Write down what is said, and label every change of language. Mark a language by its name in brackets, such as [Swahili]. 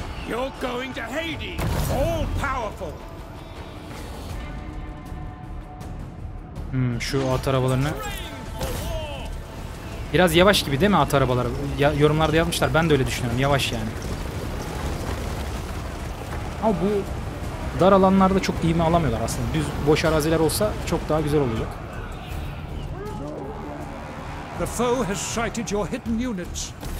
[English] You're going to Hades, all powerful. [Turkish] Şu at arabalarını biraz yavaş gibi değil mi at arabaları? Yorumlarda yazmışlar, ben de öyle düşünüyorum, yavaş yani. Ama bu dar alanlarda çok iyi mi alamıyorlar aslında. Düz boş araziler olsa çok daha güzel olacak. [English] The foe has sighted your hidden units.